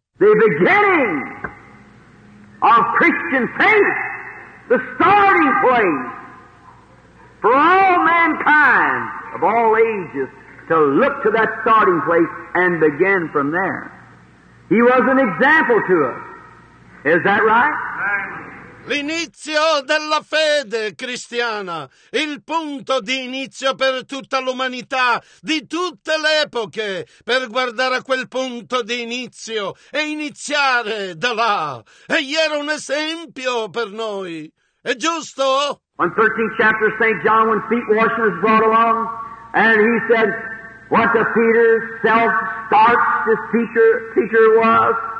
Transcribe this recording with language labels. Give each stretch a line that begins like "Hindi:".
English: The beginning of Christian faith, the starting place for all mankind of all ages to look to that starting place and begin from there. He was an example to us. Is that right?
Italian: L'inizio della fede cristiana, il punto di inizio per tutta l'umanità, di tutte le epoche, per guardare a quel punto di inizio e iniziare da là. Egli era un esempio per noi. È giusto?
English: On 13th chapter of St. John, when feet washing was brought along, and he said, what the Peter self-starched the teacher was,